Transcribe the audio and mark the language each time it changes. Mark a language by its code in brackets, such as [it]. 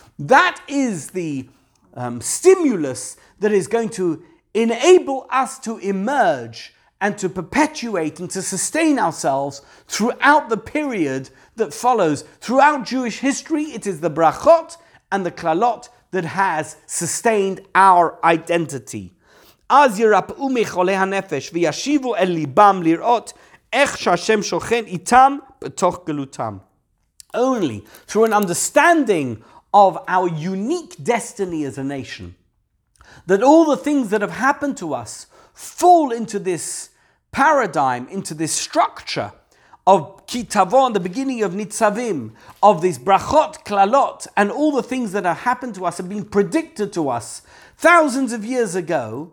[en] That is the stimulus that is going to enable us to emerge and to perpetuate and to sustain ourselves throughout the period that follows. Throughout Jewish history, it is the brachot and the klalot that has sustained our identity. [he] אז ירפאו מחולי הנפש וישיבו אל ליבם לראות איך שהשם שוכן איתם בתוך גלותם. [en] Only through an understanding of our unique destiny as a nation, that all the things that have happened to us fall into this paradigm, into this structure of Kitavon, the beginning of Nitzavim, of this brachot, klalot, and all the things that have happened to us have been predicted to us thousands of years ago.